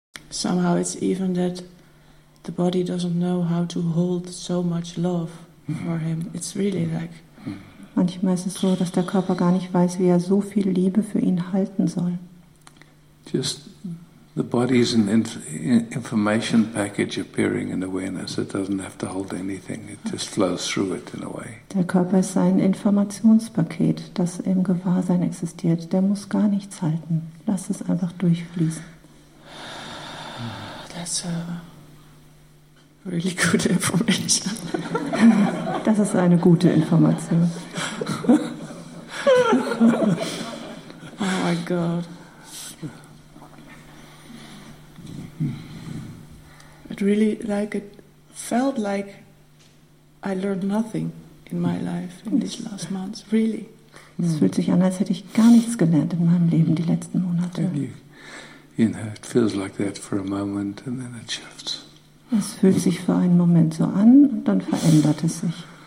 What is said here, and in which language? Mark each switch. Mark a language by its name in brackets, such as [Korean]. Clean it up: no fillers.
[English] Somehow it's even that the body doesn't know how to hold so much love for him. It's really like. [German] Manchmal ist es so, dass der Körper gar nicht weiß, wie er so viel Liebe für ihn halten soll. [English] Just the body is an information package appearing in awareness. It doesn't have to hold anything. It just flows through it in a way. [German] Der Körper ist ein Informationspaket, das im Gewahrsein existiert. Der muss gar nichts halten. Lass es einfach durchfließen. [English] That's a really good information. [German] Das ist eine gute Information. [English] Oh my God. It really, like, it felt like I learned nothing in my life in these last months, really. [German] Es fühlt sich an, als hätte ich gar nichts gelernt in meinem Leben die letzten Monate. [English] You know, it feels like that for a moment and then it shifts. [German] Es fühlt sich für einen Moment so an und dann verändert es sich.